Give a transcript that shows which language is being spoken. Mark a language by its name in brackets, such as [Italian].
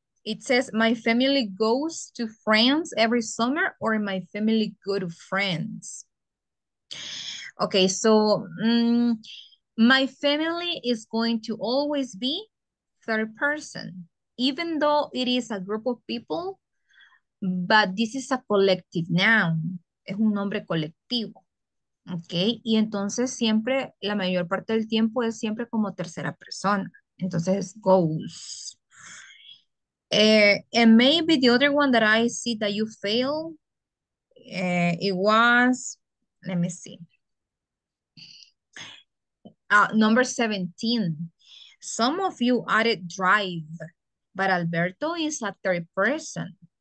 [English] It says, my family goes to France every summer, or my family go to France. Okay, so my family is going to always be third person, even though it is a group of people, but this is a collective noun. [Spanish] Es un nombre colectivo. Okay, y entonces siempre, la mayor parte del tiempo es siempre como tercera persona. Entonces, goes. [English] And maybe the other one that I see that you fail, it was, let me see, number 17. Some of you added drive, but Alberto is a third person.